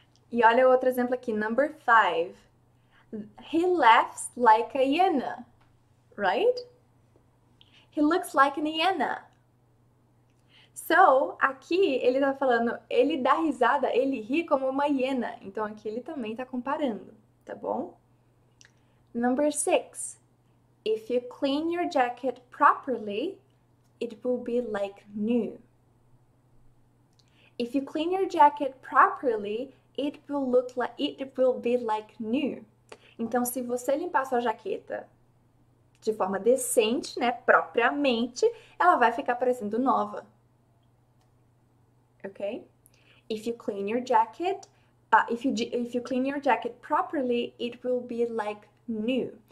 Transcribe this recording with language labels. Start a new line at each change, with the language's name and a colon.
Portuguese: E olha o outro exemplo aqui,
English: number 5. He laughs like a hyena. Right? He looks like an hyena.
Portuguese: So, aqui ele tá falando, ele dá risada, ele ri como uma hiena. Então aqui ele também tá comparando, tá bom?
English: Number 6. If you clean your jacket properly, it will be like new. If you clean your jacket properly, it will be like new.
Portuguese: Então, se você limpar sua jaqueta de forma decente, né? Propriamente, ela vai ficar parecendo nova. Okay?
English: If you clean your jacket, if you clean your jacket properly, it will be like new.